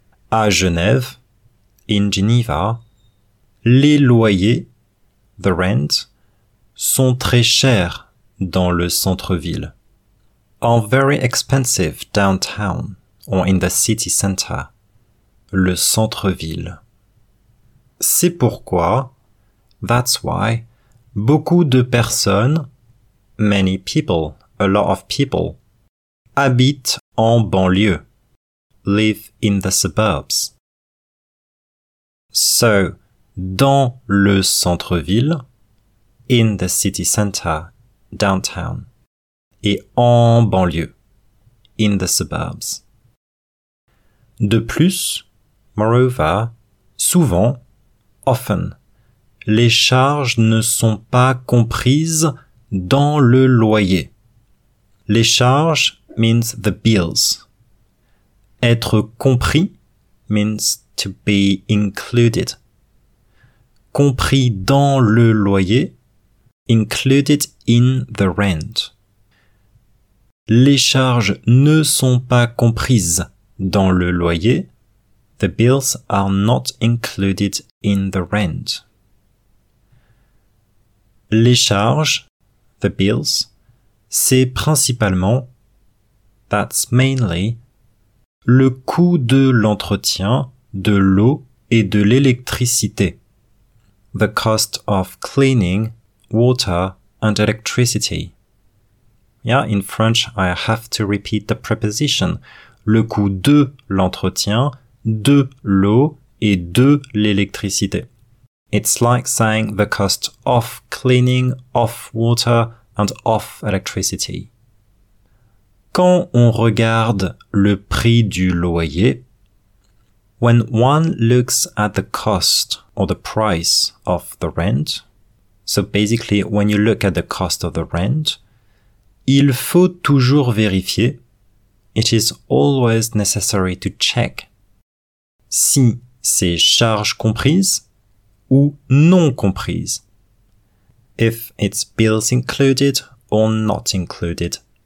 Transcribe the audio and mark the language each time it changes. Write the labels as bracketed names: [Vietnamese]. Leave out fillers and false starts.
[French] À Genève, [English] in Geneva, [French] les loyers, [English] the rent, [French] sont très chers dans le centre-ville. [English] Are very expensive downtown or in the city center. [French] Le centre-ville. C'est pourquoi, [English] that's why, [French] beaucoup de personnes, [English] many people, a lot of people, [French] habitent en banlieue, [English] live in the suburbs. So, [French] dans le centre-ville, [English] in the city center, downtown, [French] et en banlieue, [English] in the suburbs. [French] De plus, [English] moreover, [French] souvent, [English] often, [French] les charges ne sont pas comprises dans le loyer. [English] Les charges means the bills. Être compris means to be included. [French] Compris dans le loyer, [English] included in the rent. [French] Les charges ne sont pas comprises dans le loyer. [English] The bills are not included in the rent. [French] Les charges, [English] the bills, [French] c'est principalement, [English] that's mainly, [French] le coût de l'entretien, de l'eau et de l'électricité. [English] The cost of cleaning, water and electricity. Yeah, in French, I have to repeat the preposition. [French] Le coût de l'entretien, de l'eau et de l'électricité. [English] It's like saying the cost of cleaning, of water and of electricity. [French] Quand on regarde le prix du loyer, [English] when one looks at the cost or the price of the rent, so basically when you look at the cost of the rent, [French] il faut toujours vérifier, [English] it is always necessary to check, [French] si c'est charges comprises ou non comprises, [English] if it's bills included or not included.